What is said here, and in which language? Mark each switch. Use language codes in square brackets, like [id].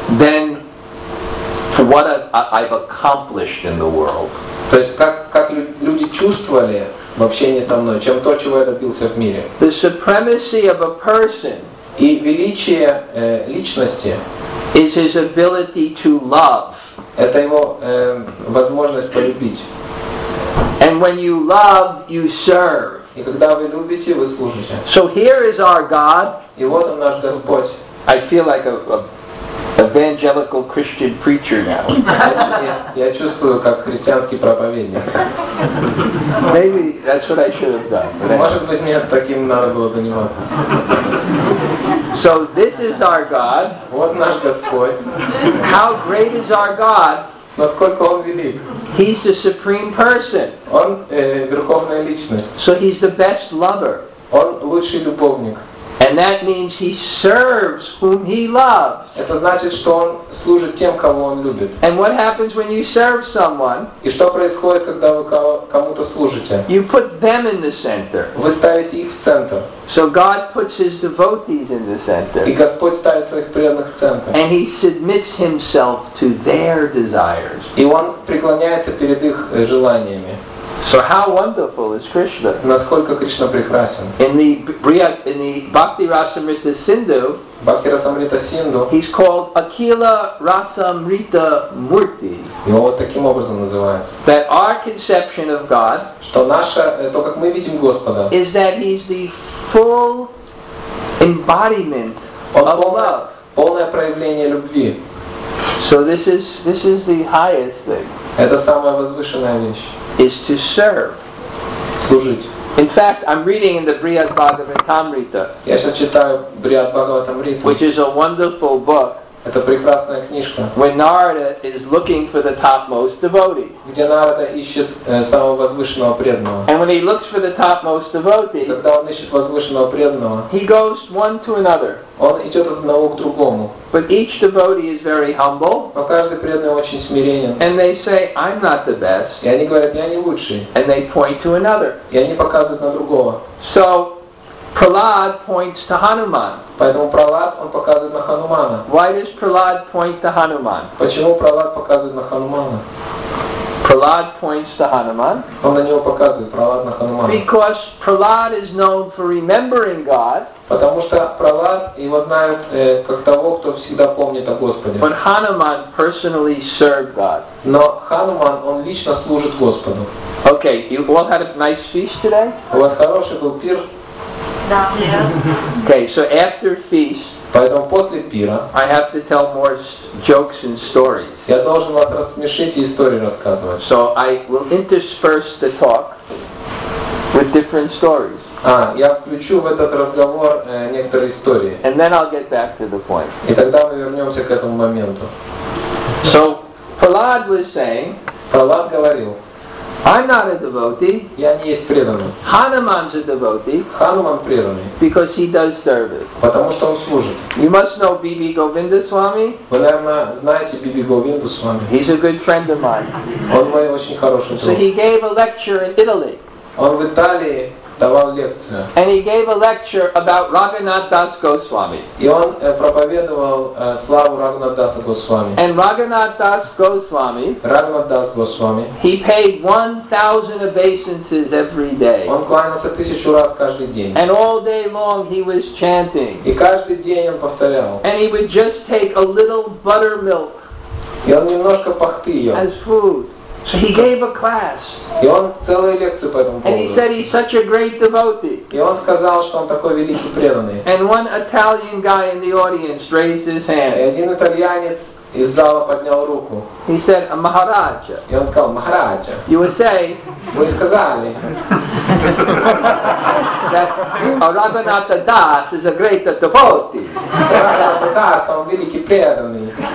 [en] Then, to what I've accomplished in the world. [ru] То есть как люди чувствовали в общении со мной, чем то, чего я добился в мире. [en] The supremacy of a person. [ru] И величие личности. [en] Is his ability to love. [ru] Это его возможность полюбить. [en] And when you love, you serve. [ru] И когда вы любите, вы служите. [en] So here is our God. [ru] И вот он наш Господь. [en] I feel like a evangelical Christian preacher now. [ru] Я чувствую, как христианский проповедник. [en] Maybe that's what I should have done. [ru] Может быть, мне таким надо было заниматься. [en] So this is our God. [ru] Вот наш Господь. [en] How great is our God? [ru] Насколько он велик? [en] He's the supreme person. [ru] Он верховная личность. [en] So he's the best lover. [ru] Он лучший любовник. [en] And that means he serves whom he loves. [ru] Это значит, что он служит тем, кого он любит. [en] And what happens when you serve someone? [ru] И что происходит, когда вы кому-то служите? [en] You put them in the center. [ru] Вы ставите их в центр. [en] So God puts his devotees in the center. [ru] И Господь ставит своих преданных в центр. [en] And he submits himself to their desires. [ru] И он преклоняется перед их желаниями. [en] So how wonderful is Krishna? [ru] Насколько Кришна прекрасен. [en] In the Bhakti Rasamrita Sindhu, he's called Akila Rasamrita Murti. [ru] Его вот таким образом называют. [en] That our conception of God, [ru] что наша, то как мы видим Господа, [en] is that he's the full embodiment of love. [ru] Полное проявление любви. [en] So this is the highest thing. [ru] Это самая возвышенная вещь. [en] Is to serve. [ru] Служить. [en] In fact, I'm reading in the Brihad Bhagavatamrita. [ru] Я сейчас читаю Брихад Бхагаватамриту. [en] Which is a wonderful book. [ru] Это прекрасная книжка. [en] When Narada is looking for the topmost devotee. [ru] Где Нарада ищет самого возвышенного преданного. [en] And when he looks for the topmost devotee. [ru] Когда он ищет возвышенного преданного. [en] He goes one to another. [ru] Он идет от одного к другому. [en] But each devotee is very humble. [ru] Но каждый преданный очень смиренен. [en] And they say, I'm not the best. [ru] И они говорят, я не лучший. [en] And they point to another. [ru] И они показывают на другого. [en] So, Prahlad points to Hanuman. [ru] Поэтому Прахлад он показывает на Ханумана. [en] Why does Prahlad point to Hanuman? [ru] Почему Прахлад показывает на Ханумана? [en] Prahlad points to Hanuman. [ru] Он на него показывает, Прахлад на Хануман. [en] Because Prahlad is known for remembering God. [ru] Потому что Прахлад его знают как того, кто всегда помнит о Господе. [en] But Hanuman personally served God. [ru] Но Хануман, он лично служит Господу. [en] Okay, you all had a nice feast today? [ru] У вас хороший был пир? Да. [en] Okay, so after feast, [ru] поэтому после пира [en] I have to tell more jokes and stories. [ru] Я должен вас рассмешить и истории рассказывать. [en] So I will intersperse the talk with different stories. [ru] Я включу в этот разговор некоторые истории. [en] And then I'll get back to the point. [ru] И тогда мы вернемся к этому моменту. [en] So Prahlad was saying, [ru] Prahlad говорил, [en] I'm not a devotee. [ru] Я не есть преданный. [en] Hanuman's a devotee. [ru] Hanuman преданный. [en] Because he does service. [ru] Потому что он служит. [en] You must know Bibi Govinda Swami. [ru] Вы, наверное, знаете Bibi Govinda Swami. [en] He's a good friend of mine. [ru] Он мой очень хороший друг. [en] So he gave a lecture in Italy. [ru] Он в Италии давал лекцию. [en] And he gave a lecture about Raghunath Das Goswami. [ru] И он проповедовал славу Raghunath Das Goswami. [en] And Raghunath Das Goswami, [ru] Raghunath Das Goswami, [en] he paid 1,000 obeisances every day. [ru] Он кланялся 1,000 раз каждый день. [en] And all day long he was chanting. [ru] И каждый день он повторял. [en] And he would just take a little buttermilk. [ru] И он немножко пахты ел. [en] As food. So he gave a class. [ru] И он целую лекцию по этому поводу. [en] And he said he's such a great devotee. [ru] И он сказал, что он такой великий преданный. [en] And one Italian guy in the audience raised his hand. [ru] И один итальянец из зала поднял руку. [en] He said, a Maharaja. [ru] И он сказал, Maharaja. [en] You would say, [ru] вы сказали, [en] that Raghunatha Das is a great devotee. [ru] Raghunatha Das, он великий преданный.